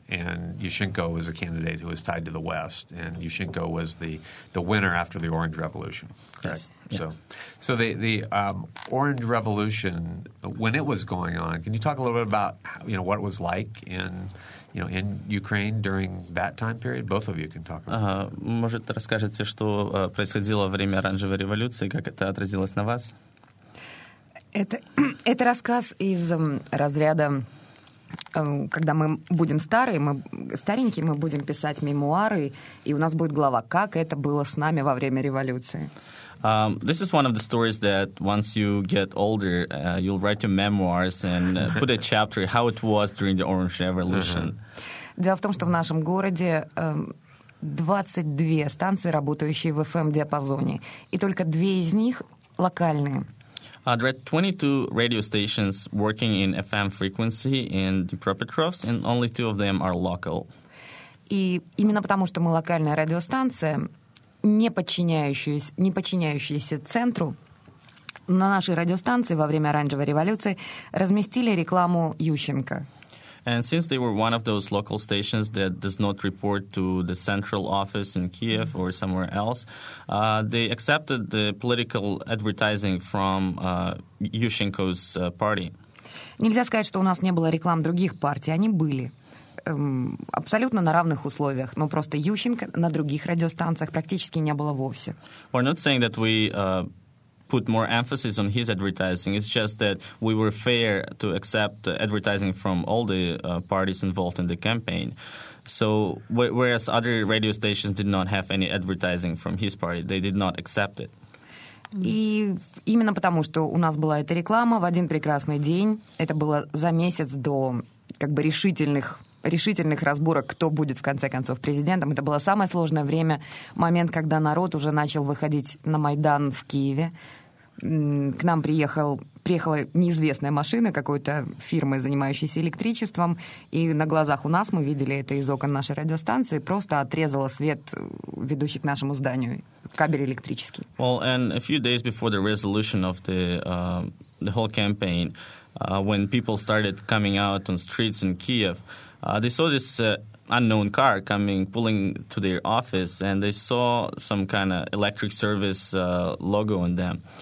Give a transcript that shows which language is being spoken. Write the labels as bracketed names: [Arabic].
[English] And Yushchenko was a candidate who was tied to the West. And Yushchenko was the winner after the Orange Revolution. Correct? Yes. Yeah. So the Orange Revolution, when it was going on, can you talk a little bit about what it was like in Ukraine during that time period? Both of you can talk about it. [Russian] Может, расскажете, что происходило во время Оранжевой революции, как это отразилось на вас? Это рассказ из разряда когда мы будем старые, мы старенькие, мы будем писать мемуары, и у нас будет глава, как это было с нами во время революции. [English] This is one of the stories that once you get older, you'll write your memoirs and put a chapter how it was during the Orange Revolution. [Russian] Дело в том, что в нашем городе 22 станции, работающие в FM-диапазоне, и только две из них локальные. [English] There are 22 radio stations working in FM frequency in Dnipropetrovsk, and only two of them are local. [Russian] И именно потому, что мы локальная радиостанция, не подчиняющаяся центру, на нашей радиостанции во время Оранжевой революции разместили рекламу Ющенко. [English] And since they were one of those local stations that does not report to the central office in Kiev or somewhere else, they accepted the political advertising from Yushchenko's party. [Russian] Нельзя сказать, что у нас не было реклам других партий. Они были абсолютно на равных условиях, но просто Ющенко на других радиостанциях практически не было вовсе. [English] We're not saying that we put more emphasis on his advertising. It's just that we were fair to accept advertising from all the parties involved in the campaign. So, whereas other radio stations did not have any advertising from his party, they did not accept it. [Russian] И именно потому, что у нас была эта реклама в один прекрасный день, это было за месяц до как бы решительных разборок, кто будет в конце концов президентом, это было самое сложное время, момент, когда народ уже начал выходить на Майдан в Киеве. К нам приехала неизвестная машина какой-то фирмы, занимающейся электричеством, и на глазах у нас, мы видели это из окон нашей радиостанции, просто отрезала свет, ведущий к нашему зданию, кабель электрический. [English] Well, and a few days before the resolution of the whole campaign, when people started coming out on streets in Kiev, they saw this unknown car coming, pulling to their office, and they saw some kind of electric service logo on them.